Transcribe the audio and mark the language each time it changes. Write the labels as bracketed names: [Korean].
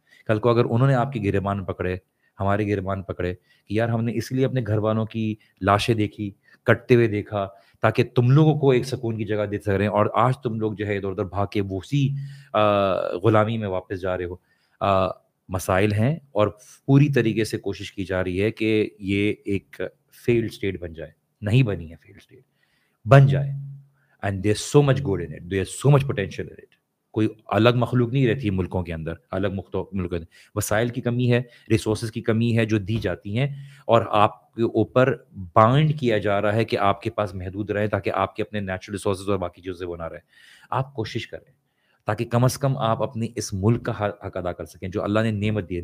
[Urdu] کل کو اگر انہوں نے آپ کے گریبان پکڑے, ہمارے گریبان پکڑے کہ یار ہم نے اس لیے اپنے گھر والوں کی لاشیں دیکھی, کٹتے ہوئے دیکھا, تاکہ تم لوگوں کو ایک سکون کی جگہ دے سک رہے ہیں, اور آج تم لوگ جو ہے ادھر ادھر بھاگ کے اسی غلامی میں واپس جا رہے ہو. مسائل ہیں اور پوری طریقے سے کوشش کی جا رہی ہے کہ یہ ایک فیلڈ اسٹیٹ بن جائے. نہیں بنی ہے فیلڈ اسٹیٹ, بن جائے. [English] And there so much good in it, there so much potential in it. [Urdu] کوئی الگ مخلوق نہیں رہتی ملکوں کے اندر, الگ مختلف ملکوں کے اندر. وسائل کی کمی ہے, ریسورسز کی کمی ہے جو دی جاتی ہیں, اور آپ کے اوپر بائنڈ کیا جا رہا ہے کہ آپ کے پاس محدود رہے تاکہ آپ کے اپنے نیچرل ریسورسز اور باقی چیزیں وہ نہ رہے. آپ کوشش کریں تاکہ کم از کم آپ اپنے اس ملک کا حق ادا کر سکیں جو اللہ نے نعمت دی ہے.